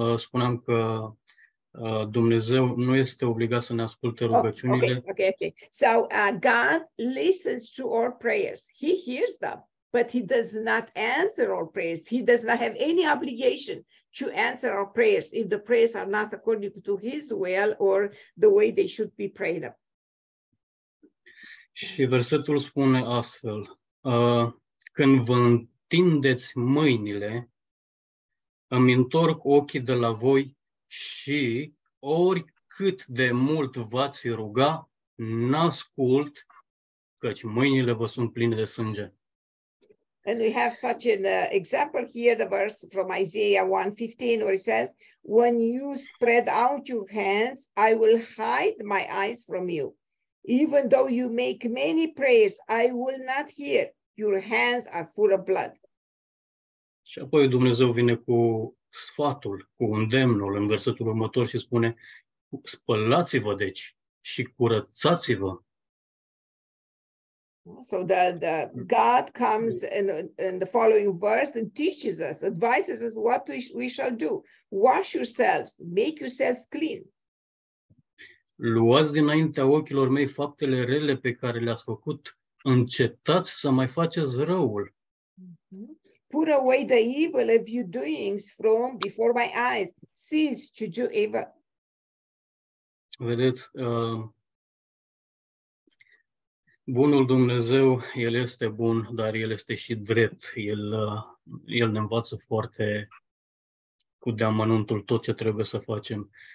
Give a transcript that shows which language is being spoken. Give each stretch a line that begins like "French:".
Romanian: Spuneam că Dumnezeu nu este obligat să ne asculte rugăciunile.
English: Okay. So God listens to our prayers. He hears them, but he does not answer our prayers. He does not have any obligation to answer our prayers if the prayers are not according to his will or the way they should be prayed up.
Romanian: Și versetul spune astfel, când vă întindeți mâinile, îmi întorc ochii de la voi și oricât de mult v-ați ruga, n-ascult, căci mâinile vă sunt pline de sânge.
English: And we have such an example here, the verse from Isaiah 1:15, where it says, when you spread out your hands, I will hide my eyes from you. Even though you make many prayers, I will not hear. Your hands are full of blood.
Romanian: Și apoi Dumnezeu vine cu sfatul, cu îndemnul în versetul următor și spune, spălați-vă deci și curățați-vă.
English: So the God comes in the following verse and teaches us, advises us what we shall do. Wash yourselves, make yourselves clean.
Romanian: Luați dinaintea ochilor mei faptele rele pe care le-ați făcut. Încetați să mai faceți răul.
English: Put away the evil of your doings from before my eyes. Cease to do evil.
Romanian: Vedeți, bunul Dumnezeu, El este bun, dar El este și drept. El ne învață foarte cu deamănuntul tot ce trebuie să facem.